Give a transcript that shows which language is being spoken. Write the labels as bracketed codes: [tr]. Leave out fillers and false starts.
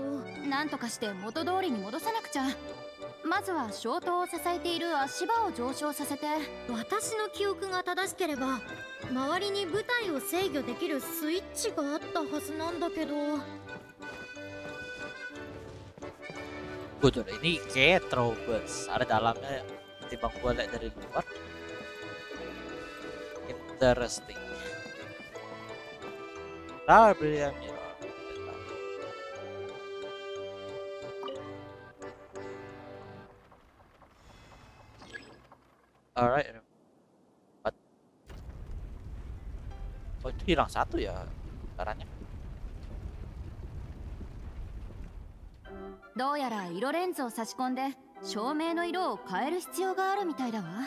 [ja] なんとかして元通りに戻さなくちゃ。まずは消灯を支えている足場を上昇させて。私の記憶が正しければ周りに舞台を制御できるスイッチがあったはずなんだけど。 [id] ブドル、ini kayaknya terlalu besar dalamnya ketimbang gua lihat dari luar. [en] Interesting. ProbablyAlright. [id] Oh, itu hilang satu ya caranya. [ja] どうやら色レンズを差し込んで照明の色を変える必要があるみたいだわ。